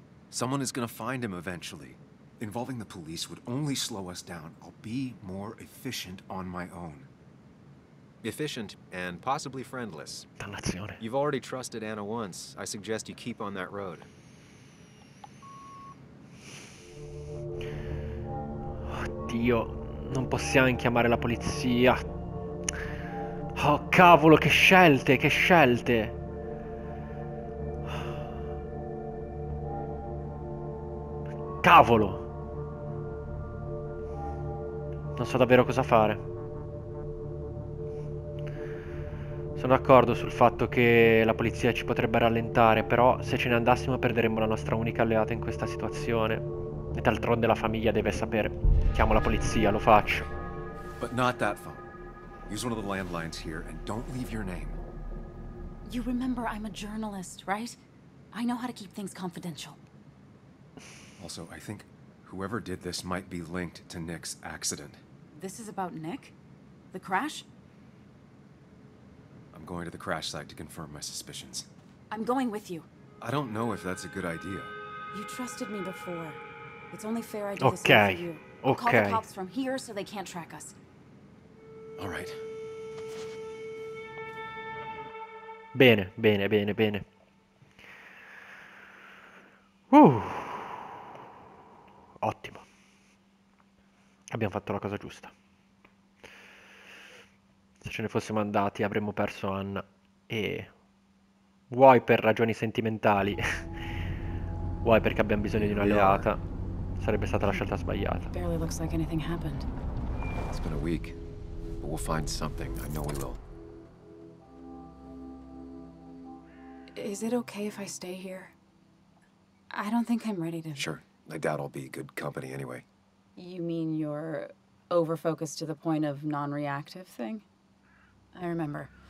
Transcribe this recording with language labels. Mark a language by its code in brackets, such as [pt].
[en] Someone is gonna find him eventually. Involving the police would only slow us down. I'll be more efficient on my own. Efficient and possibly friendless. [it] Dannazione. [en] You've already trusted Anna once. I suggest you keep on that road. [it] Oddio, non possiamo chiamare la polizia. Oh cavolo, che scelte, che scelte. Cavolo. Non so davvero cosa fare. Sono d'accordo sul fatto che la polizia ci potrebbe rallentare, però se ce ne andassimo perderemmo la nostra unica alleata in questa situazione. E d'altronde la famiglia deve sapere. Chiamo la polizia, lo faccio. [en] But not that phone. Use one of the landlines here and don't leave your name. You remember I'm a journalist, right? I know how to keep things confidential. Also, I think whoever did this might be linked to Nick's accident. This is about Nick? The crash? I'm going to the crash site to confirm my suspicions. I'm going with you. I don't know if that's a good idea. You trusted me before. It's only fair I do the same for Ok. you. We'll call the Ok. cops from here so they can't track us. All right. [it] Bene, bene, bene, bene. Ottimo. Abbiamo fatto la cosa giusta. Se ce ne fossimo andati, avremmo perso Anna. E vuoi per ragioni sentimentali, vuoi perché abbiamo bisogno di [en] Here we are. [it] un'alleata. Sarebbe stata la scelta sbagliata. [en] Barely looks like anything happened. It's been a week, but we'll find something. I know we will. Is it okay if I stay here? I don't think I'm ready to... Sure. I doubt I'll be good company anyway. You mean you're over-focused to the point of non-reactive thing? I remember.